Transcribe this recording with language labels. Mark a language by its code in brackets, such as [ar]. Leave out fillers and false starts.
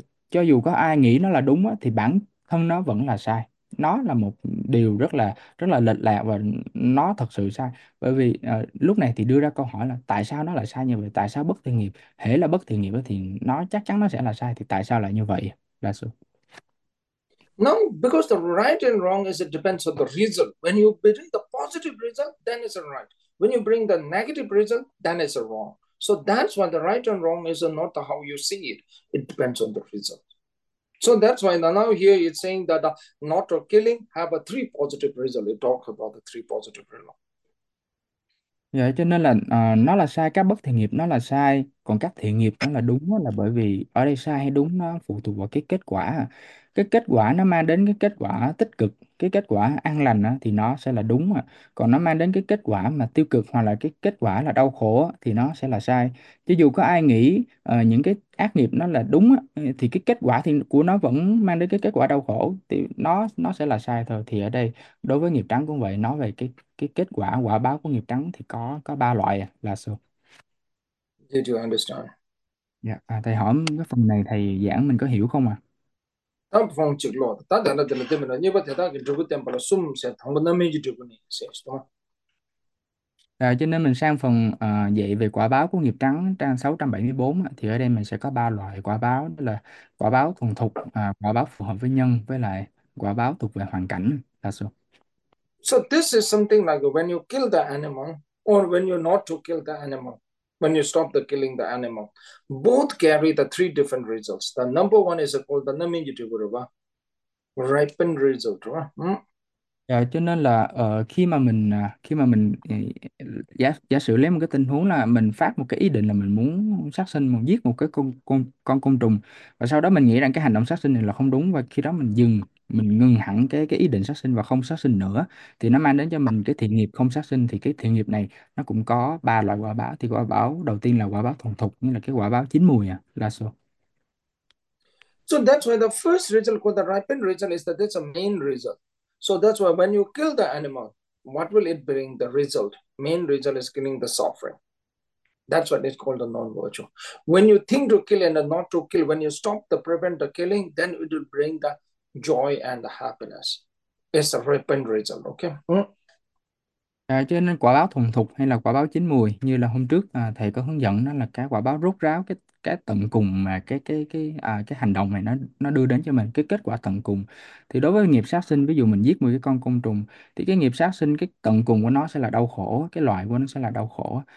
[vi] Cho dù có ai nghĩ nó là đúng đó, thì bản thân nó vẫn là sai. Nó là một điều rất là lệch lạc và nó thật sự sai. Bởi vì lúc này thì đưa ra câu hỏi là tại sao nó lại sai như vậy? Tại sao bất thiện nghiệp, hễ là bất thiện nghiệp thì nó chắc chắn nó sẽ là sai, thì tại sao lại như vậy? Là sự. [en] No, because the right and wrong is it depends on the result. When you bring the positive result, then it's a right. When you bring the negative result, then it's a wrong. So that's why the right and wrong is not how you see it. It depends on the result. So that's why now here it's saying that not a killing have a three positive result. It talk about the three positive result. [vi] Dạ, cho nên là nó là sai, các bất thiện nghiệp nó là sai, Còn các thiện nghiệp nó là đúng đó, là bởi vì ở đây sai hay đúng nó phụ thuộc vào cái kết quả. Cái kết quả nó mang đến cái kết quả tích cực, cái kết quả an lành đó, thì nó sẽ là đúng mà. Còn nó mang đến cái kết quả mà tiêu cực hoặc là cái kết quả là đau khổ đó, thì nó sẽ là sai. Chứ dù có ai nghĩ những cái ác nghiệp nó là đúng đó, thì cái kết quả thì của nó vẫn mang đến cái kết quả đau khổ, thì nó sẽ là sai thôi. Thì ở đây đối với nghiệp trắng cũng vậy, nói về cái kết quả quả báo của nghiệp trắng thì có ba loại à, là sao? [en] Did you understand? [vi] Dạ, à, thầy hỏi cái phần này thầy giảng mình có hiểu không ạ? Tam phong chữ lo, ta đã nói cho mình là như vậy thì ta cái chữ tiền bảo là sum sẽ thằng nó mới chữ của này sẽ đó. À, cho nên mình sang phần dạy về quả báo của nghiệp trắng trang 674 thì ở đây mình sẽ có ba loại quả báo, đó là quả báo thuần thục, quả báo phù hợp với nhân, với lại quả báo thuộc về hoàn cảnh là số. [en] So this is something like when you kill the animal or when you not to kill the animal. When you stop the killing the animal, both carry the three different results. The number one is called the namijitivuruva, ripened result. [vi] À, cho nên là khi mà mình giả sử lấy một cái tình huống là mình phát một cái ý định là mình muốn sát sinh, mình giết một cái con trùng, và sau đó mình nghĩ rằng cái hành động sát sinh này là không đúng, và khi đó mình dừng, mình ngừng hẳn cái ý định sát sinh và không sát sinh nữa, thì nó mang đến cho mình cái thiện nghiệp không sát sinh. Thì cái thiện nghiệp này nó cũng có ba loại quả báo. Thì quả báo đầu tiên là quả báo thuần thục, như là cái quả báo chín mùi à, là số. [en] So that's why the first result called the ripened result is that that's a main result. So that's why when you kill the animal, what will it bring? The result. Main result is killing the suffering. That's what is called a non-virtue. When you think to kill and not to kill, when you stop the prevent the killing, then it will bring the joy and the happiness. It's a ripened result, okay? [vi] À, cho nên quả báo thuần thục hay là quả báo chín mùi, như là hôm trước thầy có hướng dẫn, đó là cái quả báo rốt ráo, cái tận cùng mà cái hành động này nó đưa đến cho mình cái kết quả tận cùng. Thì đối với nghiệp sát sinh, ví dụ mình giết 10 cái con côn trùng, thì cái nghiệp sát sinh cái tận cùng của nó sẽ là đau khổ, cái loại của nó sẽ là đau khổ.